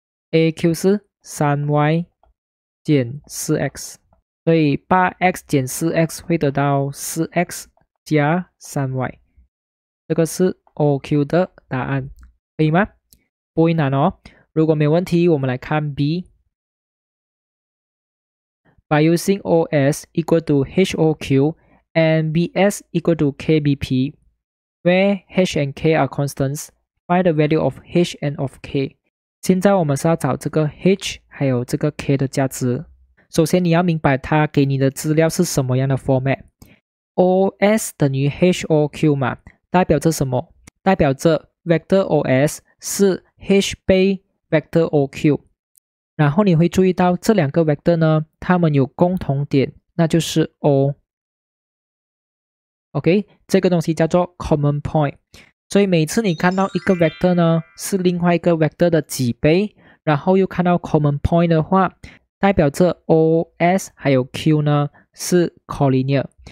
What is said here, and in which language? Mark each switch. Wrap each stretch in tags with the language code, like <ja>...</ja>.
<zh>AQ 是 3y 减 4x， 所以 8x 减 4x 会得到 4x 加 3y， 这个是 OQ 的答案，可以吗？不会难哦。如果没问题，我们来看 B。</zh> <en>By using OS equal to HOQ and BS equal to KBP, where H and K are constants, find the value of H and of K。</en> <zh>现在我们是要找这个 H 还有这个 K 的价值。首先你要明白它给你的资料是什么样的 format。 OS 等于 HOQ 嘛，代表着什么？代表着 vector OS 是 H 倍 vector OQ。然后你会注意到这两个 vector 呢，它们有共同点，那就是 O。 OK， 这个东西叫做 common point。所以每次你看到一个 vector 呢，是另外一个 vector 的几倍，然后又看到 common point 的话，代表这 OS 还有 Q 呢是 collinear。</zh>